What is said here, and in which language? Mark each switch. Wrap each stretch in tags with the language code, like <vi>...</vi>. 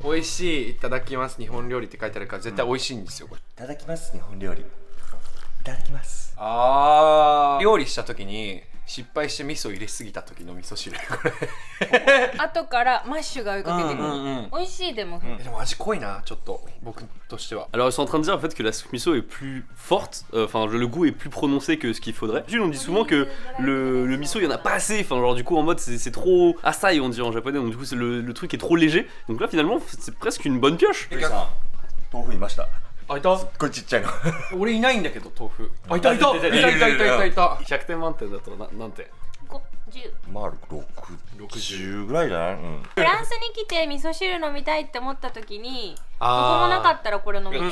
<ja>美味しい、いただきます、日本料理って書いてあるから、絶対美味しいんですよ、これ。いただきます、日本料理。いただきます。あ、料理した時に失敗して味噌入れすぎた時の味噌汁これ。後からマッシュが追いかけてくる。うんうんうん、美味しいでも、うん。でも味濃いな、ちょっと僕としては。</ja> <fr>Alors ils sont en train de dire en fait que la soupe miso est plus forte, enfin le goût est plus prononcé que ce qu'il faudrait. Puis on dit souvent que le miso il y en a pas assez, enfin genre du coup en mode c'est trop asai on dit en japonais, donc du coup c'est le truc est trop léger. Donc là finalement c'est presque une bonne pioche.</fr> <ja>Tofu いました。あいた？すっごいちっちゃいの。俺いないんだけど豆腐。あいたいた。いたいたいたいたいた。 100点満点だと何点？ 50。まあ60ぐらいじゃない？うん。フランスに来て味噌汁飲みたいって思った時に、ここもなかったらこれ飲む。</ja>